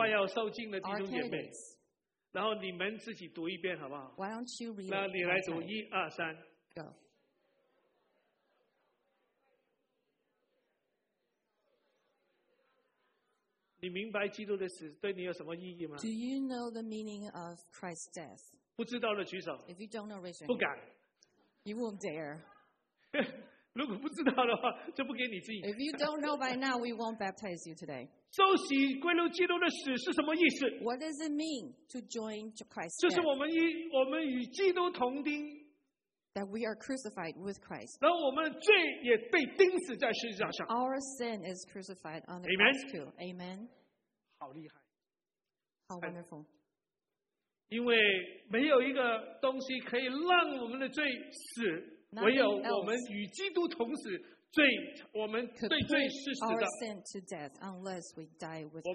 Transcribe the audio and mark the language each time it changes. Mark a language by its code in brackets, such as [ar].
[zh] 快要受浸的弟兄姐妹，然后你们自己读一遍好不好 [en] ？Why don't you read? [zh] 那你来读一二三 [en] ，Go. [zh] 你明白基督的死对你有什么意义吗 [en] ？Do you know the meaning of Christ's death？ [zh] 不知道的举手。 [en] If you don't know, raise your [zh] hand. 不敢。 [en] You won't dare. [zh] 如果不知道的话，就不给你自己。 [en] If you don't know by now, we won't baptize you today. [zh] 受洗归入基督的死是什么意思 [en] ？What does it mean to join Christ's [zh] death？ 就是我们与基督同钉。 [en] That we are crucified with Christ. [zh] 然后我们的罪也被钉死在十字架上。 [en] Our sin is crucified on the cross too. Amen. [zh] 好厉害。 [en] How wonderful. [zh] 因为没有一个东西可以让我们的罪死，唯有我们与基督同死，罪我们对罪是死的。 [en] Could put our sin to death unless we die with Christ.